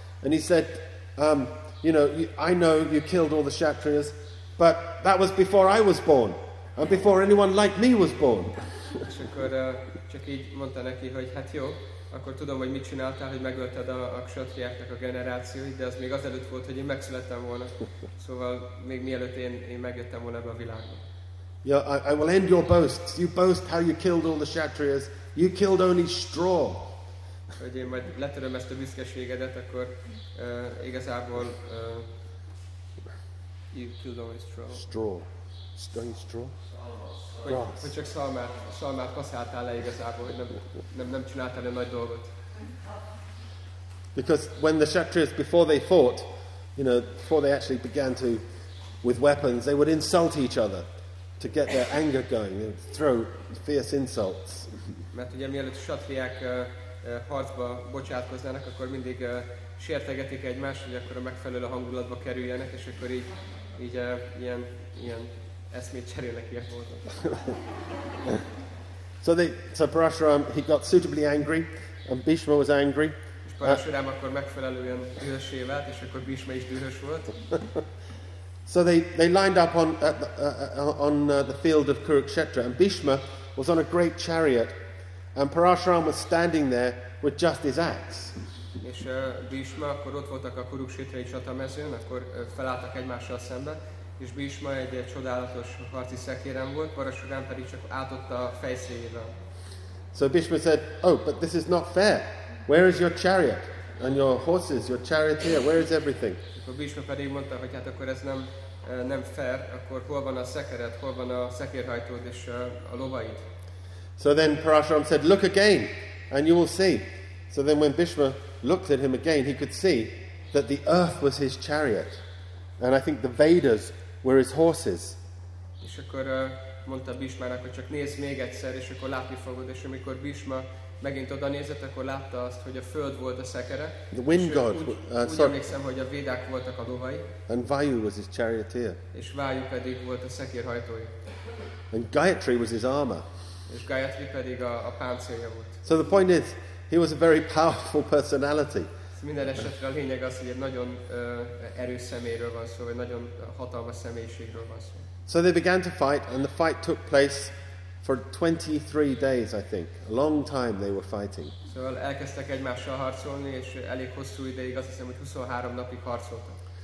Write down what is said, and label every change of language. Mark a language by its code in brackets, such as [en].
[en] And he said, I know you killed all the Kshatriyas, but that was before I was born, and before anyone like me was born. [hu] És akkor csak így mondta neki, hogy hát jó, akkor tudom, hogy mit csináltál, hogy megölted a Kshatriyáknak a generációit, de az még azelőtt volt, hogy én megszülettem volna. Szóval még mielőtt én megjöttem volna ebbe a világba. [en] Yeah, I will end your boasts. You boast how you killed all the Kshatriyas. You killed only straw. [hu] Hogy én majd letöröm ezt a büszkeségedet, akkor igazából [en] you killed only straw. Straw. Only straw? Grass. [hu] Hogy csak szalmát kaszáltál le igazából, hogy nem csináltál egy nagy dolgot. [en] Because when the Kshatriyas, before they fought, before they actually began to, with weapons, they would insult each other to get their anger going and throw fierce insults. [hu] Mert ugye mielőtt a Kshatriyák harcba bocsátkoznának, akkor mindig sértegetik egymást, hogy akkor a megfelelő hangulatba kerüljenek, és akkor így ilyen eszmét cserélnek ilyen voltak. [en] So Parashuram, he got suitably angry And Bhishma was angry. [hu] És Parashurám akkor megfelelően dühössé vált, és akkor Bhishma is dühös volt. [en] So they lined up on the field of Kurukshetra, and Bhishma was on a great chariot, and Parashuram was standing there with just his axe. [hu] És Bhishma akkor ott voltak a Kurukshetrai csatamezőn, akkor felálltak egymással szembe, és Bhishma egy csodálatos harci szekéren volt, Parashuram pedig csak átotta a fejszéjével. [en] So Bhishma said, "Oh, but this is not fair. Where is your chariot and your horses, your charioteer? Where is everything?" [hu] Akkor Bhishma pedig mondta, hogy hát akkor ez nem fair, akkor hol van a szekered, hol van a szekérhajtód és a lovaid? [en] So then Parashuram said, "Look again and you will see." So then when Bhishma looked at him again, he could see that the earth was his chariot. And I think the Vedas were his horses. [hu] És akkor mondta Bhishmának, hogy csak nézz még egyszer, és akkor látni fogod. És amikor Bhishma megint oda nézett, akkor látta azt, hogy a föld volt a szekere. [en] The wind god. [hu] Úgy emlékszem, hogy a Védák voltak a lovai. [en] And Vayu was his charioteer. [hu] És Vayu pedig volt a szekérhajtója. [en] And Gayatri was his armor. [hu] És Gayatri pedig a páncélja volt. [en] So the point is, he was a very powerful personality. [hu] Minden esetre a lényeg az, hogy egy nagyon erős személyről van szó, vagy nagyon hatalmas személyiségről van szó. [en] So they began to fight, and the fight took place for 23 days, I think. A long time they were fighting. [hu] So elkezdtek egymással harcolni, és elég hosszú ideig, azt hiszem, hogy 23 napig harcoltak.